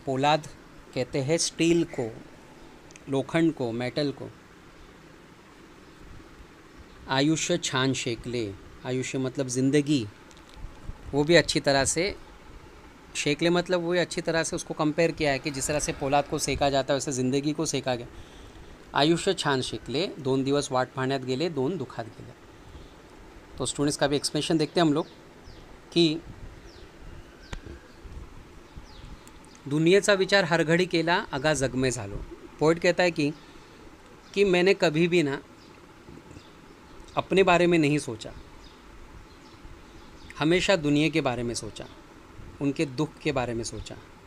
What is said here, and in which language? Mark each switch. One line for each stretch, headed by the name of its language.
Hindi: पोलाद कहते हैं स्टील को, लोखंड को, मेटल को।
Marathi: आयुष्य छान शेकले,
Hindi: आयुष्य मतलब जिंदगी, वो भी अच्छी तरह से शेकले, मतलब वो भी अच्छी तरह से उसको कंपेयर किया है कि जिस तरह से पोलाद को सेका जाता है वैसे जिंदगी को सेका गया।
Marathi: आयुष्य छान शेकले, दोन दिवस वाट पाहण्यात गेले, दोन दुखात गेले।
Hindi: तो स्टूडेंट्स का भी एक्सप्रेशन देखते हैं हम लोग कि
Marathi: दुनियेचा विचार हर घड़ी केला अगा जगमे झालो।
Hindi: पोएट कहता है कि मैंने कभी भी ना अपने बारे में नहीं सोचा, हमेशा दुनिया के बारे में सोचा, उनके दुख के बारे में सोचा।